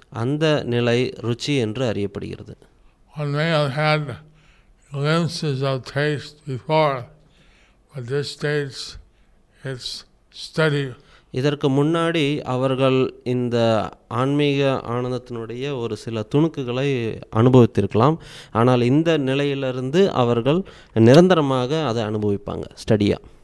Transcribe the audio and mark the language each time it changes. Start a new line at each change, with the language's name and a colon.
Tamil: அந்த நிலை ருச்சி என்று அறியப்படுகிறது.
English: One may have had glimpses of taste before, but this stage is steady.
Tamil: இதற்கு முன்னாடி அவர்கள் இந்த ஆன்மீக ஆனந்தத்தினுடைய ஒரு சில துணுக்குகளை அனுபவித்திருக்கலாம், ஆனால் இந்த நிலையிலிருந்து அவர்கள் நிரந்தரமாக அதை அனுபவிப்பாங்க ஸ்டடியாக.